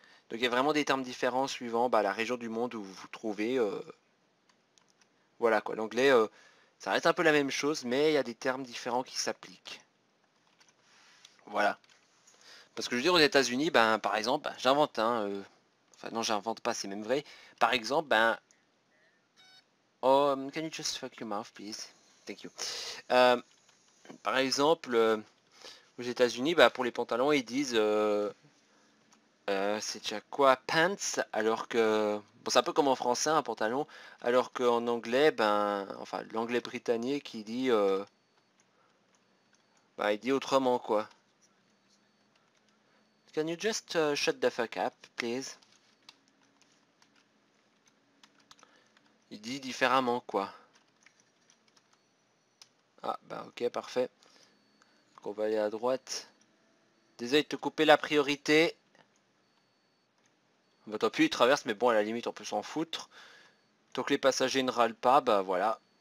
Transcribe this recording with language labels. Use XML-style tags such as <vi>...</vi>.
<fr>Donc, il y a vraiment des termes différents suivant ben, la région du monde où vous vous trouvez. Voilà, quoi. L'anglais, ça reste un peu la même chose, mais il y a des termes différents qui s'appliquent. Voilà. Parce que je veux dire aux États-Unis, ben par exemple, ben, j'invente, hein. Enfin non, j'invente pas, c'est même vrai. Par exemple, ben.</fr> <en>Oh, can you just fuck your mouth, please? Thank you.</en> <fr>Par exemple, aux États-Unis, ben, pour les pantalons, ils disent c'est déjà quoi? Pants? Alors que. Bon, c'est un peu comme en français, un pantalon. Alors qu'en anglais, ben. Enfin, l'anglais britannique, il dit. Ben, il dit autrement, quoi.</fr> <en>Can you just shut the fuck up, please?</en> <fr>Il dit différemment, quoi. Ah, bah ok, parfait. Donc on va aller à droite. Désolé de te couper la priorité. Bah tant pis, il traverse, mais bon, à la limite, on peut s'en foutre. Tant que les passagers ne râlent pas, bah voilà.</fr>